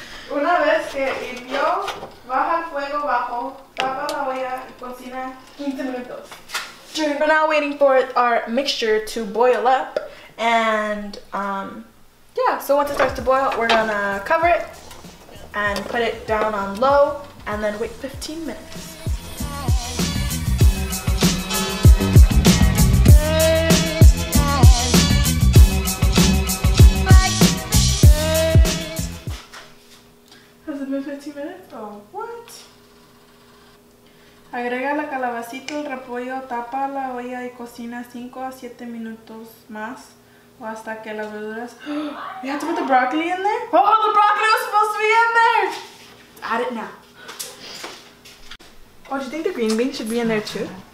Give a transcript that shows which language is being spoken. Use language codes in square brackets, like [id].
[es] Una vez que hirvió, baja el fuego bajo, tapa la olla y cocina 15 minutos. [en] We're now waiting for our mixture to boil up. And yeah, so once it starts to boil, we're going to cover it and put it down on low, and then wait 15 minutes. Has it been 15 minutes? Oh, what? [es] Agrega la calabacita, el repollo, tapa la olla y cocina 5 a 7 minutos más. Hasta que las verduras. [en] We have to put the broccoli in there? Oh, the broccoli was supposed to be in there! Add it now. Oh, do you think the green beans should be in there too?